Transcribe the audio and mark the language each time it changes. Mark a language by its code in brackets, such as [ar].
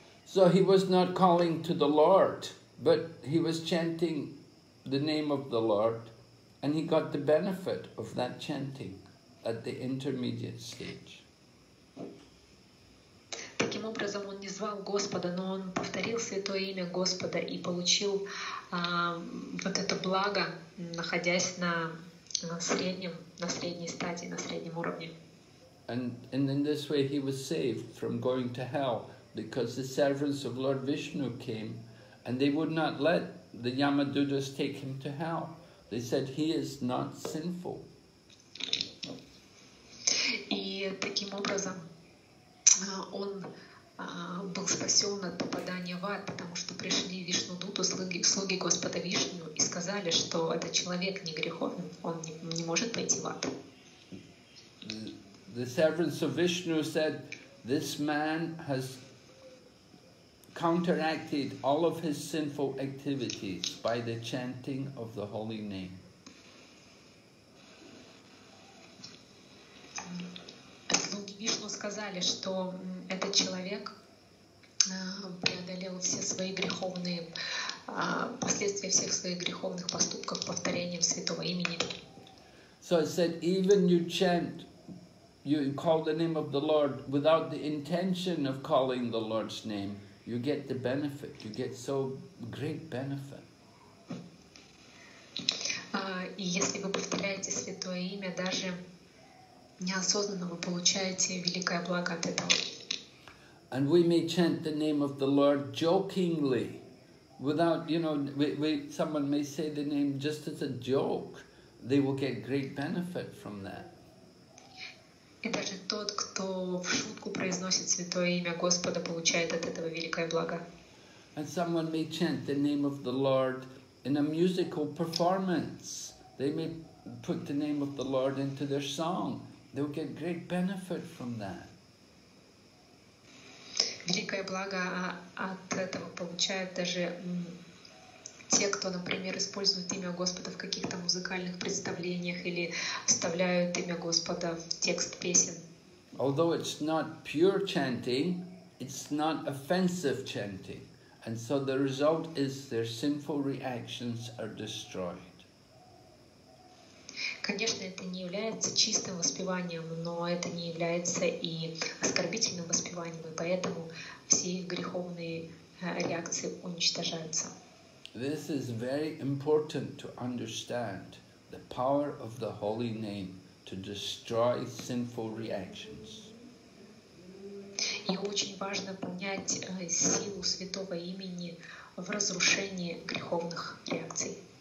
[en] So he was not calling to the Lord, but he was chanting the name of the Lord, and he got the benefit of that chanting at the intermediate stage. [ru] Таким образом, он не звал Господа, но он повторил святое имя Господа и получил вот это благо, находясь на средней стадии, на среднем уровне. [en] And in this way he was saved from going to hell, because the servants of Lord Vishnu came and they would not let the Yamadutas take him to hell. They said he is not sinful. [ru] И таким образом он был спасен от попадания в ад, потому что пришли Вишнудуту, слуги Господа Вишну, и сказали, что этот человек не греховен, он не может пойти в ад. [en] The servants of Vishnu said, this man has counteracted all of his sinful activities by the chanting of the holy name. [ru] Слуги Вишну сказали, что этот человек преодолел все свои греховные последствия всех своих греховных поступков повторением святого имени. [en] So it said, even you chant you call the name of the Lord without the intention of calling the Lord's name, you get the benefit. You get so great benefit. [ru] Если вы повторяете святое имя, даже неосознанно вы получаете великое благо от этого. [en] And we may chant the name of the Lord jokingly, without, you know, someone may say the name just as a joke. They will get great benefit from that. [ru] И даже тот, кто в шутку произносит святое имя Господа, получает от этого великое благо. [en] And someone may chant the name of the Lord in a musical performance. They may put the name of the Lord into their song. They will get great benefit from that. [ru] Великое благо от этого получают даже те, кто, например, использует имя Господа в каких-то музыкальных представлениях или вставляют имя Господа в текст песен. [en] Although it's not pure chanting, it's not offensive chanting. And so the result is their sinful reactions are destroyed. [ru] Конечно, это не является чистым воспеванием, но это не является и оскорбительным воспеванием, и поэтому все их греховные реакции уничтожаются. [en] This is very important to understand the power of the Holy Name to destroy sinful reactions. [ru] И очень важно понять силу Святого Имени в разрушении греховных реакций.